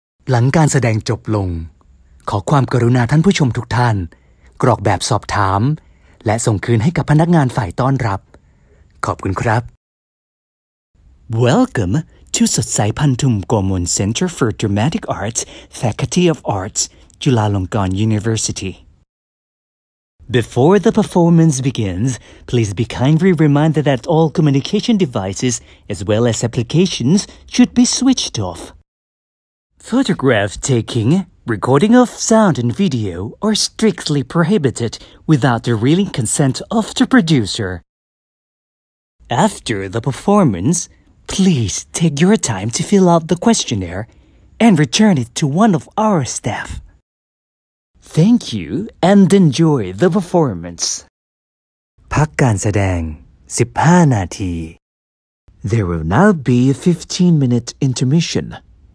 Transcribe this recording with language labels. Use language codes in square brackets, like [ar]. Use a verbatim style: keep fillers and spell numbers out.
[th] หลังการแสดงจบลงขอความกรุณาท่านผู้ชมทุกท่านกรอกแบบสอบถามและส่งคืนให้กับพนักงานฝ่ายต้อนรับขอบคุณครับ [en] Welcome to Satsai Panthum Gomon Center for Dramatic Arts, Faculty of Arts, Chulalongkorn University. Before the performance begins, please be kindly reminded that all communication devices as well as applications should be switched off. Photograph taking, recording of sound and video are strictly prohibited without the written consent of the producer. After the performance, please take your time to fill out the questionnaire and return it to one of our staff. Thank you and enjoy the performance. [th] พักการแสดง สิบห้า นาที [en] There will now be a fifteen-minute intermission.